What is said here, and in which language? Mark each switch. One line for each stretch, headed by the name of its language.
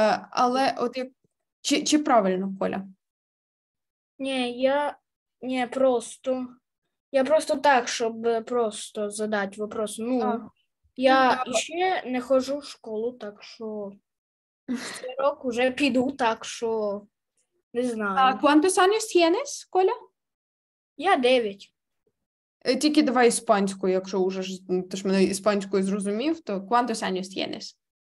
Ukrainian: Але от як... Чи правильно, Коля? Ні, просто. Я просто так, щоб просто задати вопрос. Ну, а. Я ну, ще не ходжу в школу, так що... Цей рік вже піду, так що... Не знаю.
Spanish: А quantos años tienes, Коля?
Ukrainian: Я 9. Тільки давай іспанською, якщо вже ти ж мене іспанською зрозумів, то
Spanish: quantos años tienes?